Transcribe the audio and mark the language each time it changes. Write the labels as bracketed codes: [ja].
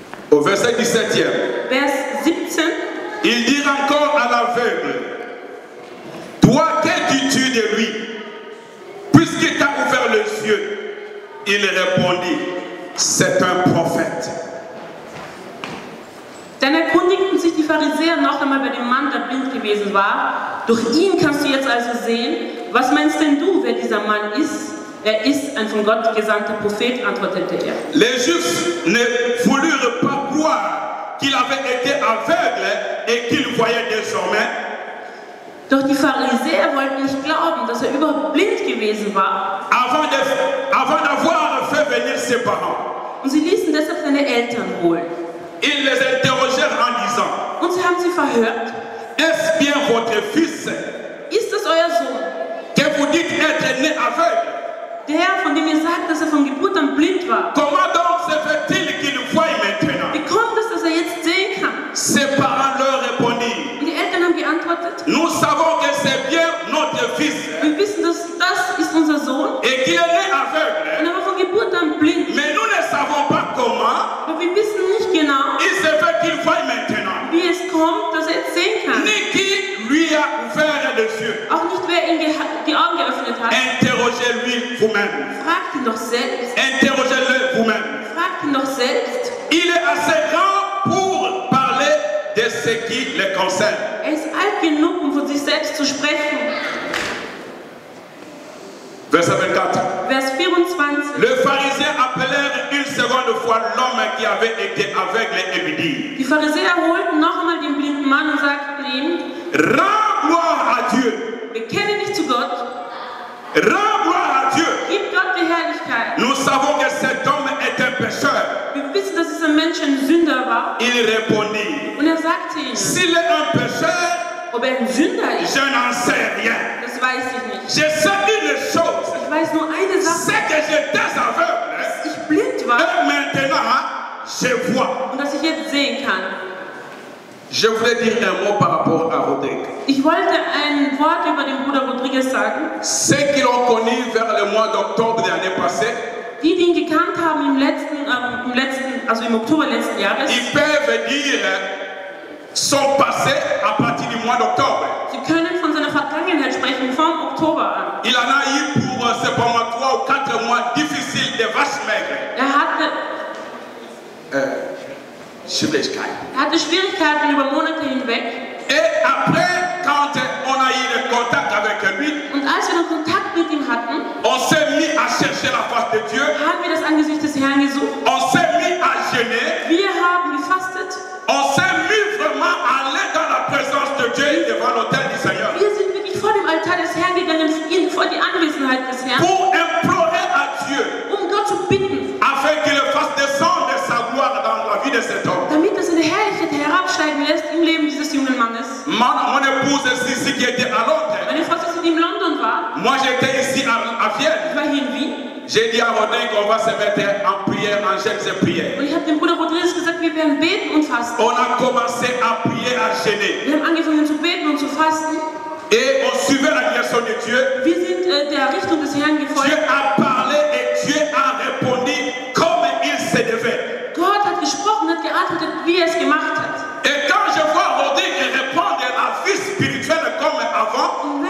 [fr] Au verset 17. [de] Vers 17. [fr] Il dit encore à l'aveugle: toi, que dis-tu de lui? Puisqu'il t'a ouvert les yeux. Il répondit: c'est un prophète. [de] Dann erkundigten sich die Pharisäer noch einmal bei dem Mann, der blind gewesen war. Durch ihn kannst du jetzt also sehen. Was meinst denn du, wer dieser Mann ist? Er ist ein von Gott gesandter Prophet, antwortete er. [fr] Les Juifs ne voulurent pas croire qu'il avait été aveugle et qu'il voyait désormais. [de] Doch die Pharisäer wollten nicht glauben, dass er überhaupt blind gewesen war. [fr] Avant d'avoir fait venir ses parents. [de] Und sie ließen deshalb seine Eltern holen. [fr] Ils les interrogèrent en disant: [de] und sie haben sie verhört. [fr] Est-ce bien votre fils? [de] Ist das euer Sohn? [fr] Que vous dites être né aveugle? [de] Der, von dem ihr sagt, dass er von Geburt an blind war. [fr] Comment donc se fait-il qu'il voie maintenant? [de] Wie kommt es, dass er jetzt sehen kann? [fr] Ses parents leur répondirent. [de] Und die Eltern haben geantwortet. [fr] Nous savons que c'est bien notre fils. [de] Wir wissen, dass das ist unser Sohn. [fr] Et qu'il est né aveugle. [de] Und er war von Geburt an blind. [fr] Mais nous ne savons pas comment. [de] Aber wir wissen nicht genau. [fr] Il se fait qu'il voie maintenant. [de] Wie es kommt, dass er jetzt sehen kann. [fr] Ni qui lui a ouvert les yeux. [de] Auch nicht wer ihm die Augen geöffnet hat. [fr] Interrogez-lui vous-même. [de] Fragt ihn doch selbst. [fr] Interrogez-le vous-même. [de] Fragt ihn doch selbst. [fr] Il est assez grand pour parler de ce qui le concerne. [de] Er ist alt genug, um von sich selbst zu sprechen. [fr] Verset 24. Le pharisien appelèrent une seconde fois l'homme qui avait été aveugle et lui dit. [de] Die Pharisäer holten noch einmal den blinden Mann und sagten ihm: [fr] rends gloire à Dieu. [de] Bekenne dich zu Gott. [fr] Rends gloire à Dieu. [de] Gib Gott die Herrlichkeit. [fr] Nous savons que cet homme est un pécheur. [de] Wir wissen, dass dieser Mensch ein Sünder war. [fr] Il répondit. [de] Und er sagte ihm: [fr] s'il est un pécheur, [de] ob er ein Sünder ist, [fr] je n'en sais rien. [de] Das weiß ich nicht. [fr] Je sais une chose. [de] Ich weiß nur eine Sache. [fr] C'est que j'étais aveugle. [de] Ich blind war. [fr] Et maintenant, je vois. [de] Und dass ich jetzt sehen kann. [fr] Je voulais dire un mot par rapport à Rodrigue. [de] Ich wollte ein Wort über den Bruder Rodriguez sagen. [fr] Ceux qui l'ont connu vers le mois d'octobre de l'année passée. [de] Die, die ihn gekannt haben im Oktober letzten Jahres. [fr] Ils peuvent dire son passé à partir du mois d'octobre. [de] Sie können von seiner Vergangenheit sprechen vom Oktober an. [fr] Il en a eu pour ce bon mois, 3 ou 4 mois difficiles de vaches maigres. [de] Er hatte Schwierigkeiten. Er hatte Schwierigkeiten über Monate hinweg. [fr] Et après, quand on a eu le contact avec lui, [de] und als wir noch Kontakt mit ihm hatten, [fr] on s'est mis à chercher la face de Dieu. [de] Haben wir das Angesicht des Herrn gesucht. [fr] On s'est mis à jeûner. [de] Wir haben gefastet. [fr] On s'est mis vraiment à aller dans la présence de Dieu et devant l'autel du Seigneur. [de] Wir sind wirklich vor dem Altar des Herrn gegangen, vor die Anwesenheit des Herrn. [fr] Pour implorer à Dieu. [de] Um Gott zu bitten. [fr] Afin qu'il fasse descendre sa gloire dans la vie de cet homme. [de] Damit er seine Herrlichkeit herabsteigen lässt im Leben dieses jungen Mannes. [fr] Mon épouse Sissi qui était à Londres. [de] Meine Frau Sissi, die in London war. [fr] Moi j'étais ici à Vienne. [de] Ich war hier in Wien. [fr] J'ai dit à Rodin qu'on va se mettre en prière, en jeûne et prière. [de] Und ich habe dem Bruder Rodriguez gesagt, wir werden beten und fasten. [fr] On a commencé à prier, à jeûner. [de] Wir haben angefangen zu beten und zu fasten. [fr] Et on suivait la direction de Dieu. [de] Wir sind der Richtung des Herrn gefolgt. [fr] Dieu a parlé et Dieu a répondu comme il se devait. [de] Gott hat gesprochen, hat geantwortet, wie es gemacht hat. [fr] Et quand je vois Rodin répondre à la vie spirituelle comme avant.